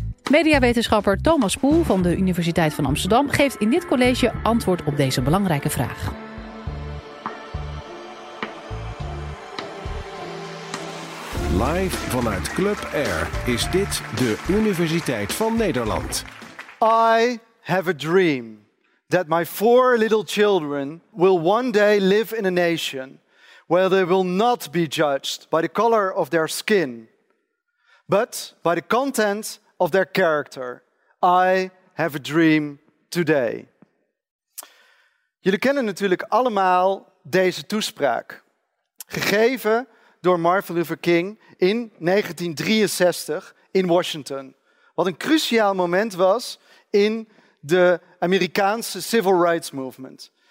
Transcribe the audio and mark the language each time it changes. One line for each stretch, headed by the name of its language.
Dutch: Mediawetenschapper Thomas Poel van de Universiteit van Amsterdam geeft in dit college antwoord op deze belangrijke vraag. Live vanuit Club Air is dit de Universiteit van Nederland.
English: I have a dream that my four little children will one day live in a nation where they will not be judged by the color of their skin, but by the content of their character. I have a dream today.
Dutch: Jullie kennen natuurlijk allemaal deze toespraak, gegeven door Martin Luther King in 1963 in Washington. Wat een cruciaal moment was in de Amerikaanse Civil Rights Movement.